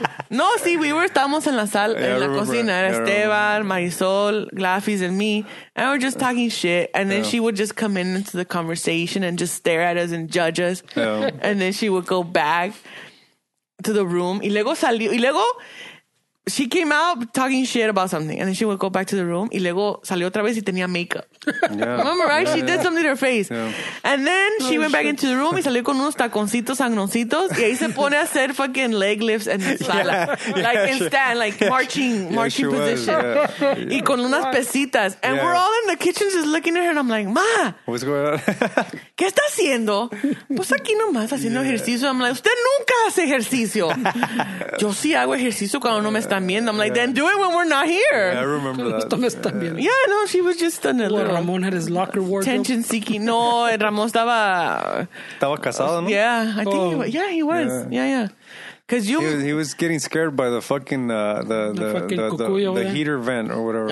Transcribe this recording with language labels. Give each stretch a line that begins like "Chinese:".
Spanish: No, sí,
English: we were,
Spanish: estamos en la sala, yeah, en la cocina.
English: Era Esteban, Marisol, Glafis, and me. And we're just talking shit. And then she would just come in into the conversation and just stare at us and judge us. And then she would go back to the room.
Spanish: Y luego salió. Y luego
English: she came out talking shit about something. And then she would go back to the room.
Spanish: Y luego salió otra vez y tenía makeup.
English: Yeah. Remember, right? Yeah, she did something to her face. Yeah. And then she went back into the room
Spanish: y salió con unos taconcitos sangroncitos. Y ahí se pone a hacer
English: fucking leg lifts
Spanish: en la sala.
English: Yeah, like in stand, like marching position. Was, yeah.
Spanish: Y con unas pesitas.
English: And we're all in the kitchen just looking at her. And I'm like, ma. What's going on?
Spanish: ¿Qué está haciendo? Pues aquí nomás haciendo ejercicio. I'm like, usted nunca hace ejercicio. Yo sí hago ejercicio cuando no me están viendo.
English: I'm like, then do it when we're not here. Yeah, I remember that.
Spanish: No me están viendo.
English: Yeah, no, she was just in a little. Well, Ramon had his locker wardrobe. Tension seeking.
Spanish: No, Ramon estaba. Estaba casado, ¿no?
English: Yeah, I think he was. Yeah, he was. Yeah. Cause you, he was getting scared by the fucking the heater vent or whatever.